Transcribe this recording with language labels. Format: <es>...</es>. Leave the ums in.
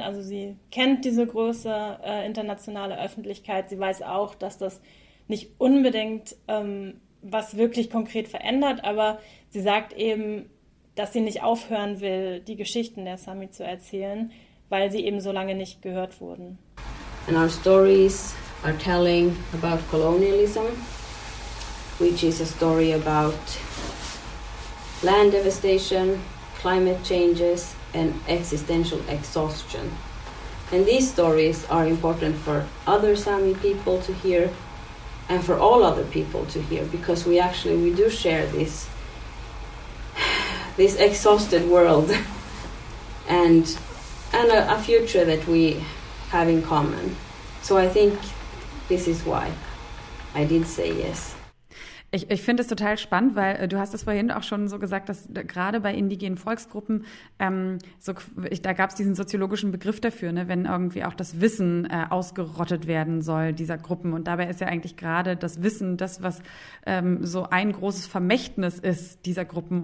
<de>Also sie kennt diese große äh, internationale Öffentlichkeit. Sie weiß auch, dass das nicht unbedingt was wirklich konkret verändert, aber sie sagt eben, dass sie nicht aufhören will, die Geschichten der Sami zu erzählen, weil sie eben so lange nicht gehört wurden.</de> <en>And our stories are telling about colonialism, which story about land devastation, climate changes and existential exhaustion. And these stories are important for Sami people to hear and for all other people to hear because we actually we do share this this exhausted world and and a, a, future that we have in common so i think this is why i did say yes</en> <de>Ich, ich finde es total spannend, weil äh, du hast es vorhin auch schon so gesagt, dass da, gerade bei indigenen Volksgruppen, ähm, so, ich, da gab's diesen soziologischen Begriff dafür, ne, wenn irgendwie auch das Wissen äh, ausgerottet werden soll dieser Gruppen. Und dabei ist ja eigentlich gerade das Wissen das, was ähm, so ein großes Vermächtnis ist dieser Gruppen.</de>